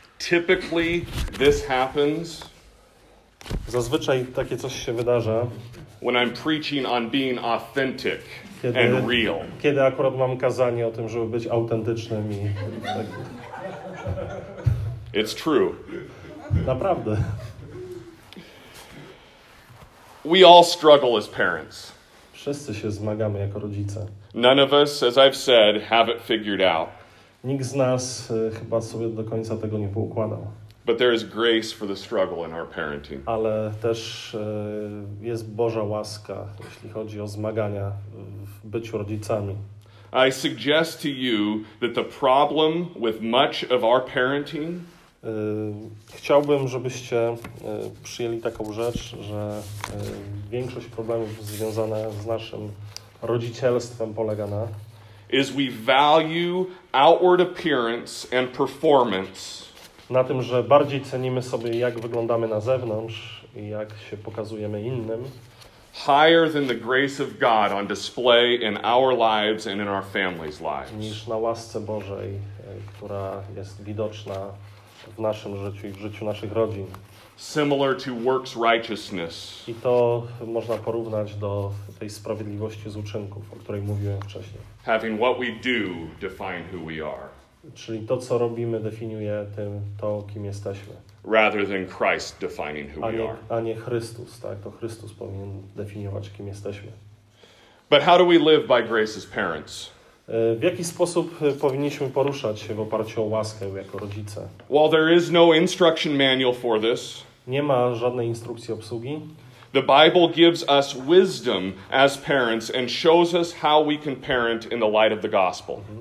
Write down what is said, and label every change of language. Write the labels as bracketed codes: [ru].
[en] Typically this happens. [pl] Zazwyczaj takie coś się wydarza. [en] When I'm preaching on being authentic and real. [pl] Kiedy akurat mam kazanie o tym, żeby być autentycznym i tak. [en] It's true. [pl] Naprawdę. [en] We all struggle as parents. [pl] Wszyscy się zmagamy jako rodzice. [en] None of us, as I've said, have it figured out. [pl] Nikt z nas chyba sobie do końca tego nie poukładał. [en] But there is grace for the struggle in our parenting. [pl] Ale też jest Boża łaska, jeśli chodzi o zmagania w byciu rodzicami. [en] I suggest to you that the problem with much of our parenting. [pl] Chciałbym, żebyście przyjęli taką rzecz, że większość problemów związana z naszym rodzicielstwem polega na [en] is we value outward appearance and performance. [pl] Na tym, że bardziej cenimy sobie, jak wyglądamy na zewnątrz i jak się pokazujemy innym, [en] higher than the grace of God on display in our lives and in our families' lives. [pl] Niż na łasce Bożej, która jest widoczna w naszym życiu i w życiu naszych rodzin. [en] Similar to works righteousness. [pl] I to można porównać do tej sprawiedliwości z uczynków, o której mówiłem wcześniej. [en] Having what we do define who we are. [pl] Czyli to, co robimy, definiuje tym, to, kim jesteśmy. [en] Rather than Christ defining who we are. [pl] A nie Chrystus, tak? To Chrystus powinien definiować, kim jesteśmy. [en] But how do we live by grace as parents? [pl] W jaki sposób powinniśmy poruszać się w oparciu o łaskę jako rodzice? [en] While there is no instruction manual for this, [pl] nie ma żadnej instrukcji obsługi. [en] The Bible gives us wisdom as parents and shows us how we can parent in the light of the gospel.